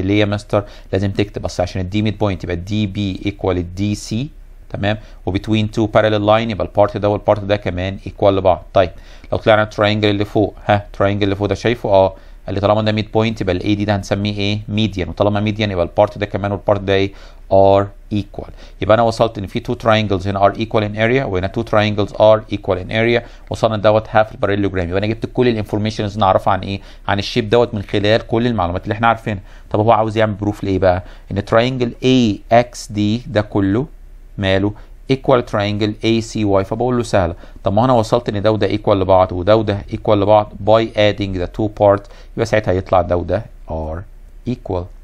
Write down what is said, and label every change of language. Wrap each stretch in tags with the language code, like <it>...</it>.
<ar>ليه يا مستر؟ لازم تكتب بس عشان الدي ميد بوينت يبقى دي بي ايكوال الدي سي. تمام. وبتوين تو بارلل لاين يبقى البارت ده والبارت ده كمان ايكوال لبعض. طيب لو طلعنا الترينجل اللي فوق، ها الترينجل اللي فوق ده شايفه؟ اه. قال لي طالما ده ميد بوينت يبقى الاي دي ده هنسميه ايه؟ ميديان. وطالما ميديان يبقى البارت ده كمان والبارت ده ايه؟ ار equal.</ar> <en>يبقى انا وصلت ان في two triangles هنا are equal in area، وهنا two triangles are equal in area.</en> <ar>وصلنا دوت half parallelogram. يبقى انا جبت كل الانفورميشنز نعرفها عن ايه؟ عن الشيب دوت من خلال كل المعلومات اللي احنا عارفينها. طب هو عاوز يعمل بروف لايه بقى؟ ان triangle AXD ده كله ماله equal triangle ACY، فبقول له سهلة. طب ما انا وصلت ان ده وده equal لبعض وده وده equal لبعض</ar> <en>by adding the two parts،</en> <ar>يبقى ساعتها يطلع ده وده are equal.</ar>